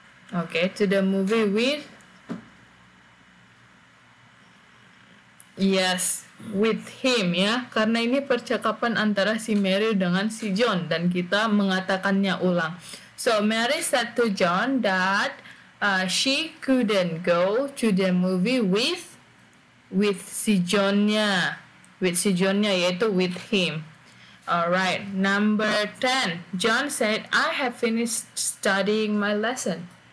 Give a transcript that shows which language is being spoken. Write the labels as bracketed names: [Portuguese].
[English] Okay, to the movie with yes, with him ya. [Indonesian] Karena ini percakapan antara si Mary dengan si John dan kita mengatakannya ulang. [English] So Mary said to John that she couldn't go to the movie with [Indonesian] si Johnnya yaitu [English] with him. Alright, number 10. John said, I have finished studying my lesson.